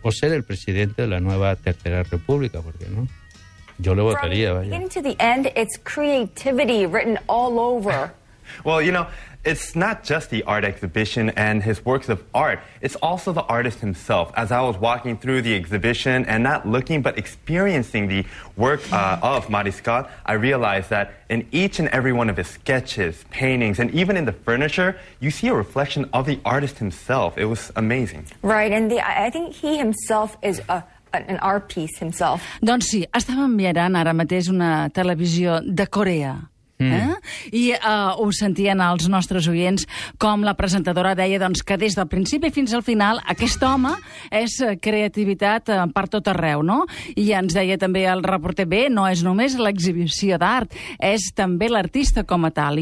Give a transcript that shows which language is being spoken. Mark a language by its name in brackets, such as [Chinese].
[Spanish] O ser el presidente de la nueva tercera república, porque no. Yo le votaría, vaya. [English] From the beginning to the end, it's creativity written all over. Well, you know, it's not just the art exhibition and his works of art. It's also the artist himself. As I was walking through the exhibition and not looking but experiencing the work of Mariscal, I realized that in each and every one of his sketches, paintings, and even in the furniture, you see a reflection of the artist himself. It was amazing. Right, and I think he himself is an art piece himself. [Catalan] Doncs sí, estàvem mirant ara mateix una televisió de Corea. Eh? I ho sentien els nostres oients, com la presentadora deia, doncs, que des del principi fins al final aquest home és creativitat per tot arreu, no? I ens deia també el reporter, bé, no és només l'exhibició d'art, és també l'artista com a tal.